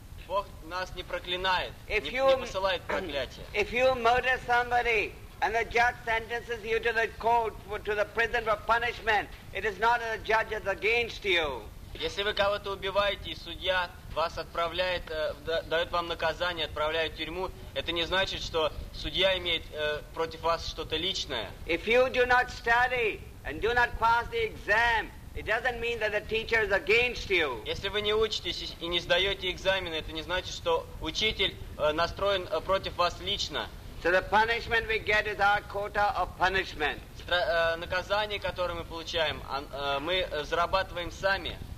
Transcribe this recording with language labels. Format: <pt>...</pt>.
<ru>Бог нас не проклинает, не посылает проклятие.</ru> <en>If you murder somebody and the judge sentences you to the court to the prison for punishment, it is not the judge that's against you.</en> <ru>Если вы кого-то убиваете, и судья вас отправляет, дает вам наказание, отправляет в тюрьму, это не значит, что судья имеет против вас что-то личное.</ru> <en>If you do not study and do not pass the exam, it doesn't mean that the teacher is against you.</en> <ru>Если вы не учитесь и не сдаете экзамены, это не значит, что учитель настроен против вас лично.</ru> <en>So the punishment we get is our quota of punishment.</en> <ru>Наказание, которое мы получаем, мы зарабатываем сами.</ru>